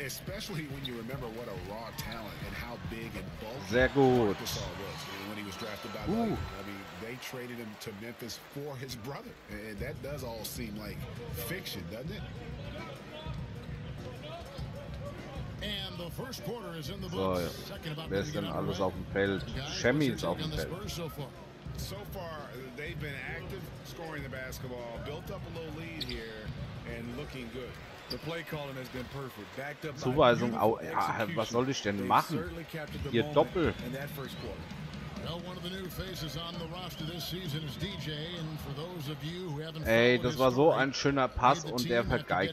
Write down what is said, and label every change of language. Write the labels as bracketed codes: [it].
[en] Especially when you remember what a raw talent and how big and bulky [de] Sehr gut. Was. [en] And when he was drafted by Lakers, I mean, they traded him to Memphis for his brother. And that does all seem like fiction, doesn't it? And the first quarter is in the books. [de] So, wer ist denn alles auf dem Feld? Shemmy ist auf dem Feld. [en] So far, they've been active, scoring the basketball, built up a little lead here, and looking good. The play calling has been perfect. Backed up [de] Zuweisung, ja, was soll ich denn machen? Hier Doppel. [en] Well, one of the new faces on the roster this season is DJ, and for those of you who haven't [de] Ey, das war so ein schöner Pass und der vergeigt.